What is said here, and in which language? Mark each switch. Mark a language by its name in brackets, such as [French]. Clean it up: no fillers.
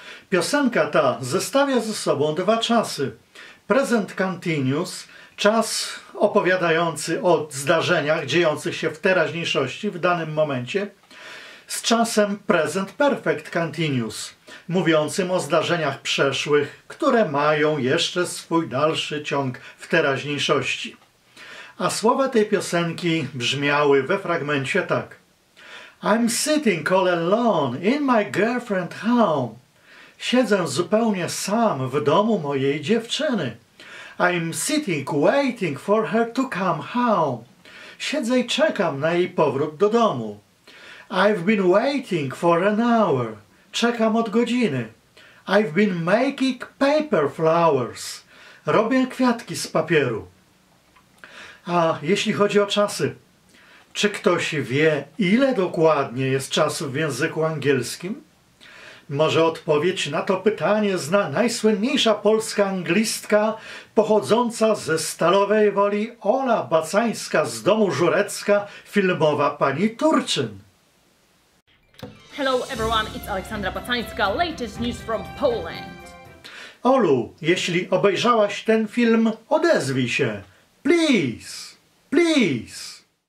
[Polish] Piosenka ta zestawia ze sobą dwa czasy. Present continuous, czas opowiadający o zdarzeniach dziejących się w teraźniejszości w danym momencie, z czasem present perfect continuous, mówiącym o zdarzeniach przeszłych, które mają jeszcze swój dalszy ciąg w teraźniejszości. A słowa tej piosenki brzmiały we fragmencie tak. [English] I'm sitting all alone in my girlfriend's home. [Polish] Siedzę zupełnie sam w domu mojej dziewczyny. [English] I'm sitting waiting for her to come home. [Polish] Siedzę i czekam na jej powrót do domu. [English] I've been waiting for an hour. [Polish] Czekam od godziny. [English] I've been making paper flowers. [Polish] Robię kwiatki z papieru. A jeśli chodzi o czasy, czy ktoś wie, ile dokładnie jest czasu w języku angielskim? Może odpowiedź na to pytanie zna najsłynniejsza polska anglistka pochodząca ze Stalowej Woli, Ola Bacańska z domu Żurecka, filmowa pani Turczyn. [English] Hello everyone, it's Aleksandra Bacańska, latest news from Poland. [Polish] Olu, jeśli obejrzałaś ten film, odezwij się. [English] Please, please.